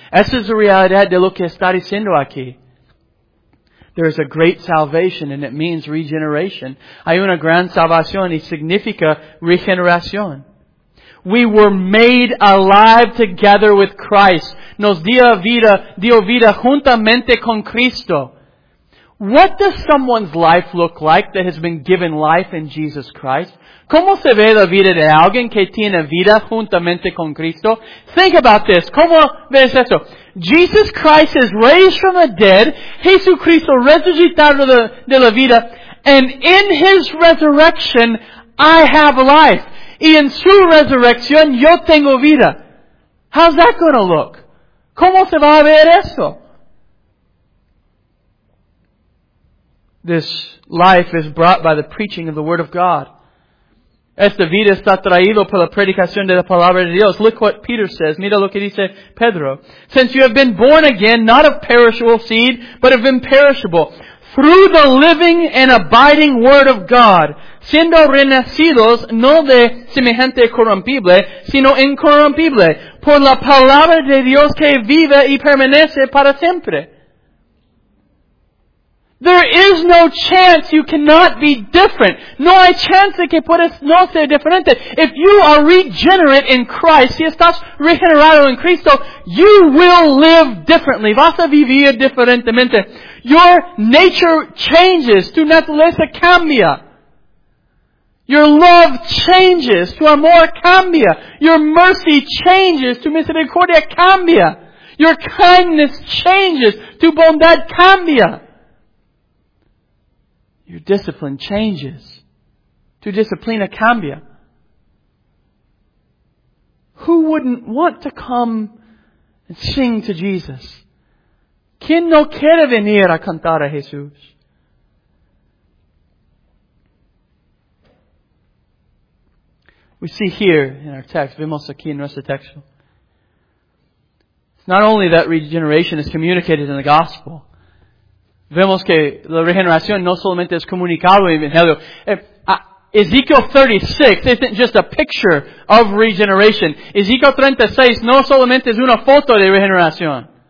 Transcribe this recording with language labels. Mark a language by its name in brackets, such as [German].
[Spanish] Esa es la realidad de lo que está diciendo aquí. [English] There is a great salvation and it means regeneration. [Spanish] Hay una gran salvación y significa regeneración. [English] We were made alive together with Christ. [Spanish] Nos dio vida juntamente con Cristo. [English] What does someone's life look like that has been given life in Jesus Christ? [Spanish] ¿Cómo se ve la vida de alguien que tiene vida juntamente con Cristo? [English] Think about this. [Spanish] ¿Cómo ves esto? [English] Jesus Christ is raised from the dead. [Spanish] Jesucristo resucitado de la vida. [English] And in His resurrection, I have life. [Spanish] Y en su resurrección, yo tengo vida. [English] How's that going to look? [Spanish] ¿Cómo se va a ver eso? [English] This life is brought by the preaching of the Word of God. [Spanish] Esta vida está traído por la predicación de la Palabra de Dios. [English] Look what Peter says. [Spanish] Mira lo que dice Pedro. [English] Since you have been born again, not of perishable seed, but of imperishable, through the living and abiding Word of God, [Spanish] siendo renacidos, no de semejante corrompible, sino incorrompible, por la Palabra de Dios que vive y permanece para siempre. [English] There is no chance you cannot be different. [Spanish] No hay chance de que puedas no ser diferente. [English] If you are regenerate in Christ, [Spanish] si estás regenerado en Cristo, [English] you will live differently. [Spanish] Vas a vivir diferentemente. [English] Your nature changes. [Spanish] Tu naturaleza cambia. [English] Your love changes. [Spanish] Tu amor cambia. [English] Your mercy changes. [Spanish] Tu misericordia cambia. [English] Your kindness changes. [Spanish] Tu bondad cambia. [English] Your discipline changes. [Spanish] Tu disciplina cambia. [English] Who wouldn't want to come and sing to Jesus? [Spanish] ¿Quién no quiere venir a cantar a Jesús? [English] We see here in our text, [Spanish] vemos aquí en nuestro texto. [English] It's not only that regeneration is communicated in the gospel. [Spanish] Vemos que la regeneración no solamente es comunicado en el Evangelio. [English] Ezekiel 36 isn't just a picture of regeneration. [Spanish] Ezekiel 36 no solamente es una foto de regeneración.